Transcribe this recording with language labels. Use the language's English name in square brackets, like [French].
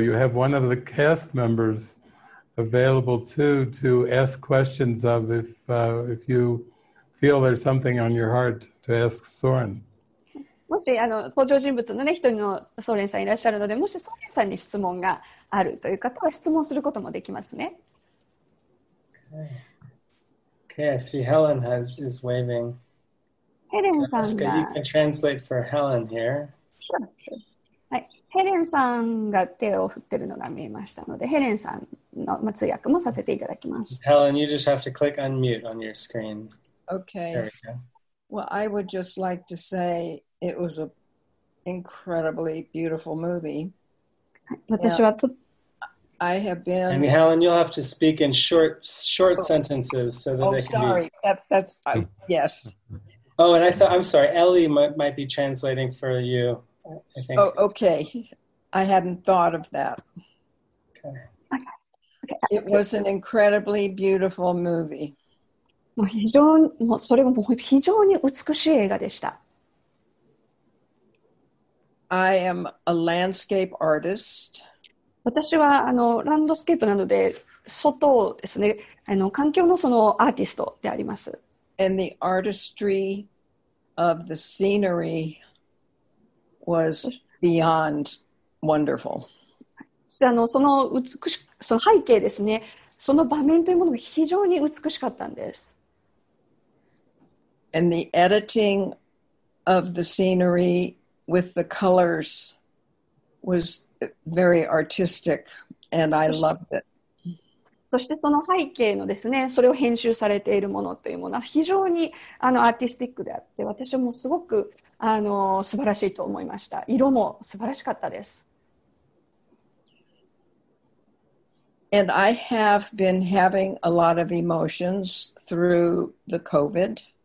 [English] You have one of the cast members available too to ask questions of if you feel there's something on your heart to ask Soren. [Japanese] もし登場人物のね、一人のソーレンさんいらっしゃるので、もしソーレンさんに質問があるという方は質問することもできますね。 [English] Okay, I see Helen is waving. [Japanese] ヘレンさんが。 [English] You can translate for Helen here. Sure. [Japanese] はい、ヘレンさんが手を振ってるのが見えましたので、ヘレンさんの通訳もさせていただきます。 [English] Helen, you just have to click unmute on your screen. Okay. Well, I would just like to say it was an incredibly beautiful movie. [Japanese] 私はと [English] I have been... And Helen, you'll have to speak in short sentences so that they can sorry. Be... Oh, sorry. That's... yes. Oh, and I thought... I'm sorry. Ellie might be translating for you, I think. Oh, okay. I hadn't thought of that. Okay. It was an incredibly beautiful movie. [Japanese] もう非常に、もうそれも非常に美しい映画でした。 [English] I am a landscape artist. [Japanese] 私はあのランドスケープなので、外ですね、あの環境のそのアーティストであります。 [English] And the artistry of the scenery was beyond wonderful. [Japanese] あのその美し、その背景ですね、その場面というものが非常に美しかったんです。 [English] And the editing of the scenery with the colors was very artistic, and I loved it. [Japanese] そしてその背景のですね、それを編集されているものというものは非常にあのアーティスティックであって、私もすごくあの素晴らしいと思いました。色も素晴らしかったです。 [English] And I have been having a lot of emotions through the COVID.